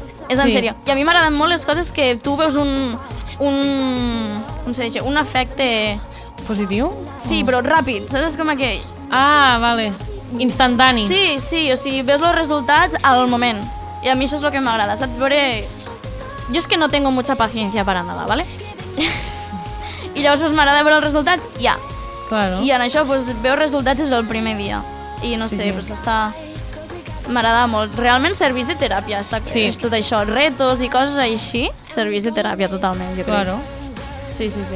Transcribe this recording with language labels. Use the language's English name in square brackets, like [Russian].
[Catalan] És en sèrio. Sí. I a mi m'agraden molt les coses que tu veus un... Com se diu? Un efecte... Positiu? Sí, però ràpid. Saps? És com aquell. Ah, vale. Instantani. Sí, sí. O sigui, veus els resultats al moment. I a mi això és el que m'agrada. Saps? Veure... Jo és que [Spanish] no tengo mucha paciencia para nada, ¿vale? [Catalan] I llavors pues, m'agrada veure els resultats ja. Yeah. [Spanish] Claro. [Catalan] I en això pues, veus resultats des del primer dia. I no sí, sé, sí, però s'està... M'agrada molt. Realment serveix de teràpia, està, sí, és tot això, retos i coses així, serveix de teràpia totalment, jo [Spanish] claro, [Catalan] crec. Sí, sí, sí.